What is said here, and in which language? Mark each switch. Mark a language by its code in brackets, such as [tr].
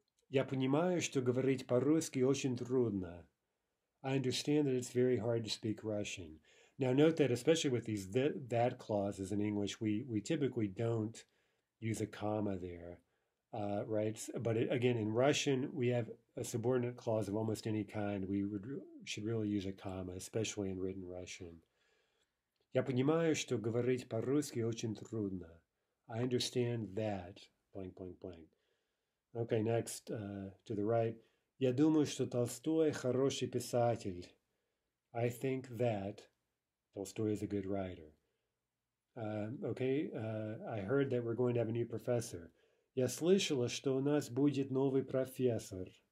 [ru] Я понимаю, что говорить по-русски очень трудно. [en] I understand that it's very hard to speak Russian. Now, note that especially with these that clauses in English, we typically don't use a comma there, right? But again, in Russian, we have a subordinate clause of almost any kind. We should really use a comma, especially in written Russian. [ru] Я понимаю, что говорить по-русски очень трудно. [en] I understand that, blank, blank, blank. Okay, next to the right. [ru] Я думаю, что Толстой хороший писатель. [en] I think that Толстой is a good writer. I heard that we're going to have a new professor. [ru] Я слышала, что у нас будет новый профессор.